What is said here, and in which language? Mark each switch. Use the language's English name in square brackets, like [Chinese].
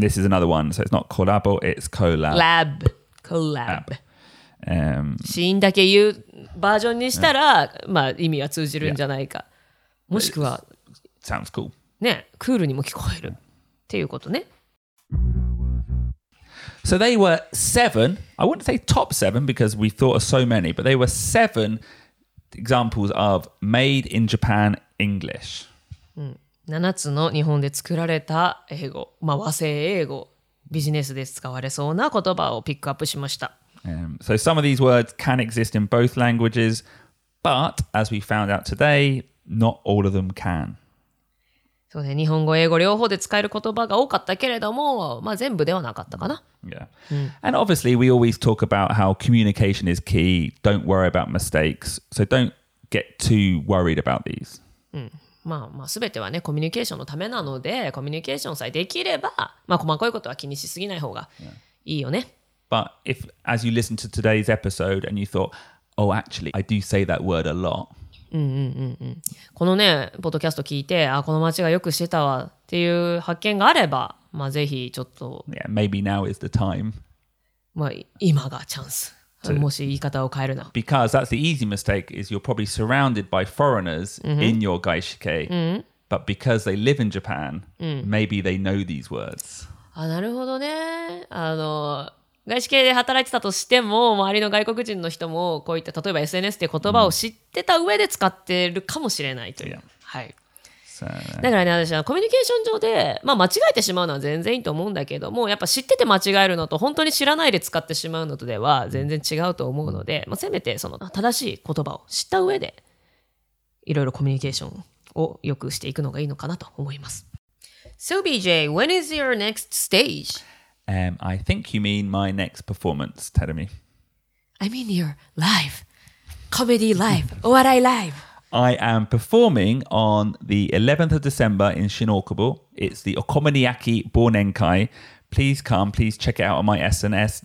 [English] this is another one. So it's not collabo, it's collab. Lab. Collab. [Japanese] シーンだけ言うバージョンにしたら、まあ意味は通じるんじゃないか。もしくは、 [English] Sounds cool. [Japanese] ね、クールにも聞こえるっていうことね。 [English] So they were seven. I wouldn't say top seven because we thought of so many, but they were seven examples of made in Japan English. [Japanese] 7つの日本で作られた英語、まあ和製英語、ビジネスで使われそうな言葉をピックアップしました。 [English] So some of these words can exist in both languages, but as we found out today. Not all of them can. [Japanese] そうね、日本語、英語両方で使える言葉が多かったけれども、まあ全部ではなかったかな。 [English] Yeah. And obviously, we always talk about how communication is key. Don't worry about mistakes. So don't get too worried about these. [Japanese] まあ、まあ全てはね、コミュニケーションのためなので、コミュニケーションさえできれば、まあ細かいことは気にしすぎない方がいいよね。 [English] But if, as you listen to today's episode and you thought, oh, actually, I do say that word a lot. [Japanese] このね、ポッドキャスト聞いて、あ、この街がよくしてたわっていう発見があれば、まあぜひちょっと。 [English] Yeah, maybe now is the time. [Japanese] まあ今がチャンス。もし言い方を変えるな。 [English] Because that's the easy mistake is you're probably surrounded by foreigners in your gaishike. But because they live in Japan, maybe they know these words. [Japanese] あ、なるほどね。あの、外資系で働いてたとしても、周りの外国人の人もこういった例えば SNS って言葉を知ってた上で使ってるかもしれないという。はい。だからね、私はコミュニケーション上で、まあ、間違えてしまうのは全然いいと思うんだけども、やっぱ知ってて間違えるのと本当に知らないで使ってしまうのとでは全然違うと思うので、まあ、せめてその正しい言葉を知った上でいろいろコミュニケーションを良くしていくのがいいのかなと思います。 [English] So BJ, when is your next stage? I think you mean my next performance, Terumi. I mean your live, comedy live, お笑い live. I am performing on the 11th of December in Shinokubo. It's the Okomoniaki Bonenkai. Please come, please check it out on my SNS.